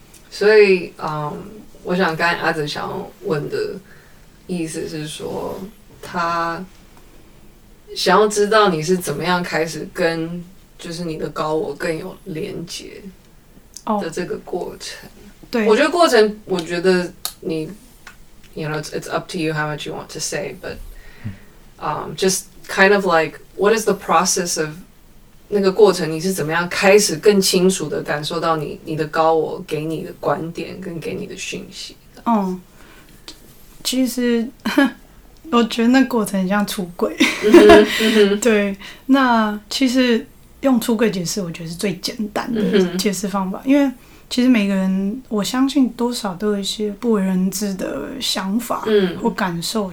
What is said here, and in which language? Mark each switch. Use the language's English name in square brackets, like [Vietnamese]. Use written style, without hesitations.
[Chinese] 所以，我想刚才阿哲想要问的意思是说，他想要知道你是怎么样开始跟就是你的高我更有连接的这个过程。 Oh, 对，我觉得过程，我觉得你 ， [English] you know, it's up to you how much you want to say, but just kind of like what is the process of [Chinese] 那个过程？你是怎么样开始更清楚的感受到你的高我给你的观点跟给你的讯息？嗯，其实。我觉得那过程很像出柜，对。那其实用出柜解释，我觉得是最简单的解释方法，因为其实每个人，我相信多少都有一些不为人知的想法或感受。